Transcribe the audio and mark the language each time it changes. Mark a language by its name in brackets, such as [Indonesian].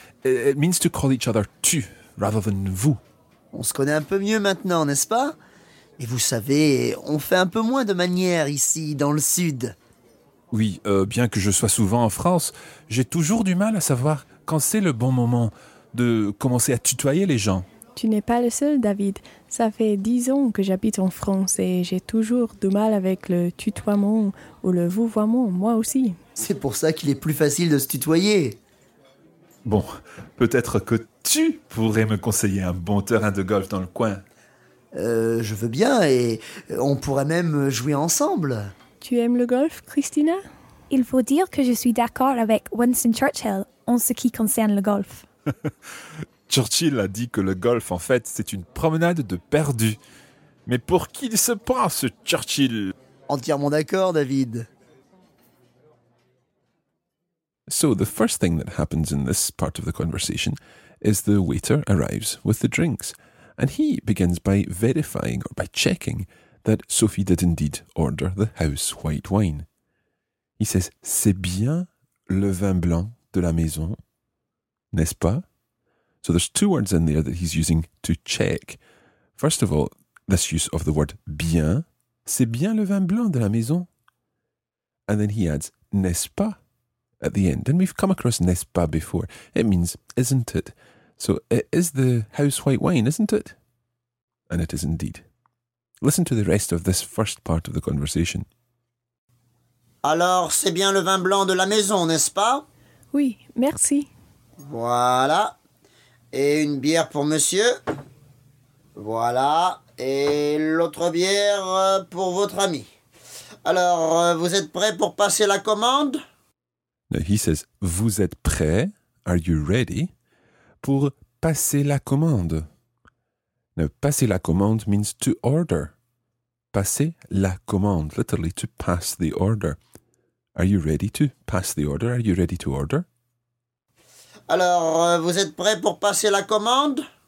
[English] It means to call each other tu, rather than vous. [French] On se connaît un peu mieux maintenant, n'est-ce pas? Et vous savez, on fait un peu moins de manières ici, dans le sud. Oui, bien que je sois souvent en France, j'ai toujours du mal à savoir... quand c'est le bon moment de commencer à tutoyer les gens? Tu n'es pas le seul, David. Ça fait 10 ans que j'habite en France et j'ai toujours du mal avec le tutoiement ou le vouvoiement, moi aussi. C'est pour ça qu'il est plus facile de se tutoyer. Bon, peut-être que tu pourrais me conseiller un bon terrain de golf dans le coin. Je veux bien et on pourrait même jouer ensemble. Tu aimes le golf, Christina? Il faut dire que je suis d'accord avec Winston Churchill en ce qui concerne le golf. Churchill a dit que le golf, en fait, c'est une promenade de perdu. Mais pour qui il se prend, ce Churchill? Entièrement d'accord, David. [English] So, the first thing that happens in this part of the conversation is the waiter arrives with the drinks. And he begins by verifying or by checking that Sophie did indeed order the house white wine. He says, [French] c'est bien le vin blanc de la maison, n'est-ce pas? [English] So there's two words in there that he's using to check. First of all, this use of the word bien, [French] c'est bien le vin blanc de la maison. [English] And then he adds, [French] n'est-ce pas, [English] at the end. And we've come across n'est-ce pas before. It means, isn't it? So it is the house white wine, isn't it? And it is indeed. Listen to the rest of this first part of the conversation. [French] Alors, c'est bien le vin blanc de la maison, n'est-ce pas? Oui, merci. Voilà. Et une bière pour monsieur. Voilà. Et l'autre bière pour votre ami. Alors, vous êtes prêt pour passer la commande? [English] Now he says, [French] vous êtes prêt, [English] are you ready, [French] pour passer la commande. [English] Now, [French] passer la commande [English] means to order. [French] Passer la commande, [English] literally to pass the order. Are you ready to pass the order? Are you ready to order? [French] Alors, vous êtes prêt pour passer la commande?